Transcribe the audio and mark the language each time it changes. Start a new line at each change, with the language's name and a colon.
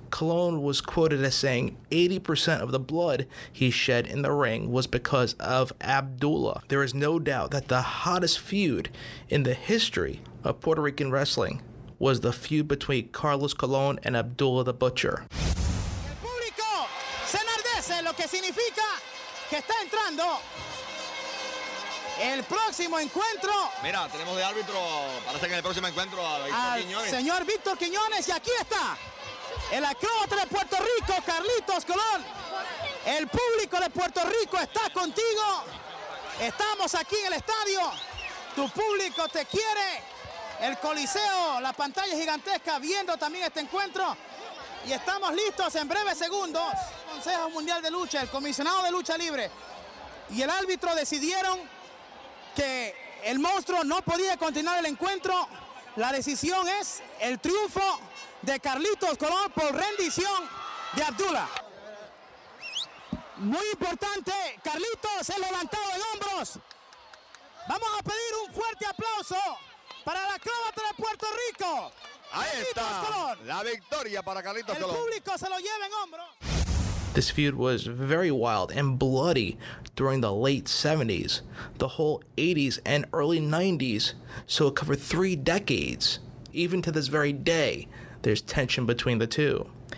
English: Colon was quoted as saying 80% of the blood he shed in the ring was because of Abdullah. There is no doubt that the hottest feud in the history of Puerto Rican wrestling was the feud between Carlos Colon and Abdullah the Butcher.
Spanish: El público se enardece, lo que significa que está entrando el próximo encuentro. Mira, tenemos de árbitro, parece que en el próximo encuentro a Víctor Quiñones. Señor Víctor Quiñones, y aquí está el acróbata de Puerto Rico, Carlitos Colón. El público de Puerto Rico está contigo. Estamos aquí en el estadio. Tu público te quiere. El Coliseo, la pantalla gigantesca, viendo también este encuentro. Y estamos listos en breves segundos. El Consejo Mundial de Lucha, el Comisionado de Lucha Libre y el árbitro decidieron que el monstruo no podía continuar el encuentro. La decisión es el triunfo de Carlitos Colón por rendición de Abdullah. Muy importante, Carlitos es levantado en hombros. Vamos a pedir un fuerte aplauso para la acróbata de Puerto Rico. Ahí está, Colón. La victoria para Carlitos el Colón. El público se lo lleva en hombros.
English: This feud was very wild and bloody during the late 70s, the whole 80s and early 90s, so it covered 3 decades. Even to this very day, there's tension between the two.